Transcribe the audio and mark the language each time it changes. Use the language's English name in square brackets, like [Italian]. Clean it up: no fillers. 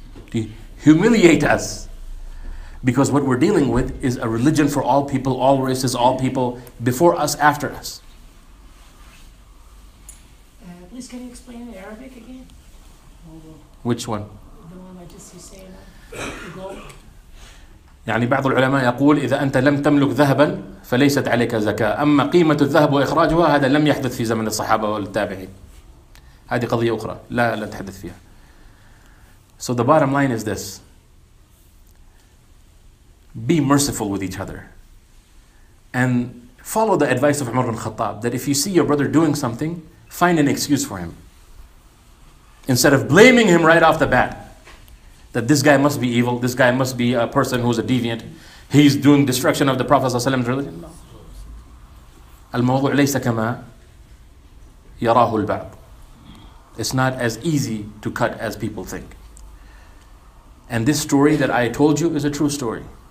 [English] To humiliate us. Because what we're dealing with is a religion for all people, all races, all people, before us, after us. Please, can you explain the Arabic again? Which one? The one I just saying. [Arabic] يعني بعض العلماء يقول إذا أنت لم تملك ذهبا فليست عليك زكاة أما قيمة الذهب وإخراجها هذا لم يحدث في زمن الصحابة والتابعين هذه قضية أخرى لا تحدث فيها. [English] So the bottom line is this: be merciful with each other and follow the advice of Umar bin Khattab that if you see your brother doing something, find an excuse for him instead of blaming him right off the bat. That this guy must be evil, this guy must be a person who's a deviant, he's doing destruction of the Prophet's religion. [Arabic] الموضوع ليس كما يراه البعض. [English] It's not as easy to cut as people think. And this story that I told you is a true story.